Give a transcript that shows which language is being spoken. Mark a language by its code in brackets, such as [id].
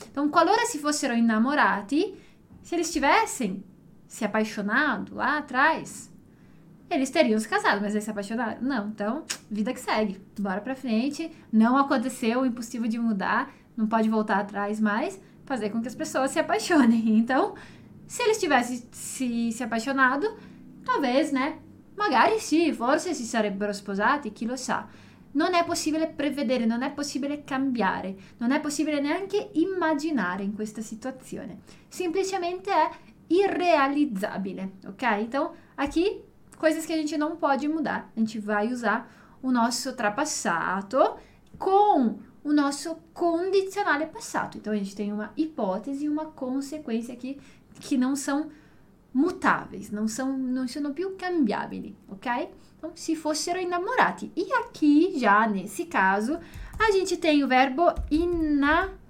[pt] Então, [it] qualora se fossero innamorati, [pt] se eles tivessem se apaixonado lá atrás, eles teriam se casado, mas eles se apaixonaram? Não, então, vida que segue, bora pra frente. Não aconteceu, impossível de mudar, não pode voltar atrás mais, fazer com que as pessoas se apaixonem. Então, se eles tivessem se apaixonado, talvez, né? [it] Magari sì, forse si sarebbero sposati, chi lo sa. Non è possibile prevedere, non è possibile cambiare, non è possibile neanche immaginare in questa situazione. Semplicemente è irrealizzabile, ok? [pt] Então, aqui, coisas que a gente não pode mudar. A gente vai usar o nosso ultrapassato com o nosso condizionale passato. Então, a gente tem uma ipotesi, uma conseguenza aqui [it] che non sono mutabili, non sono più cambiabili, [pt] ok? Então, [it] se fossero innamorati. [pt] E aqui, già nesse caso, a gente tem o verbo innamorarsi.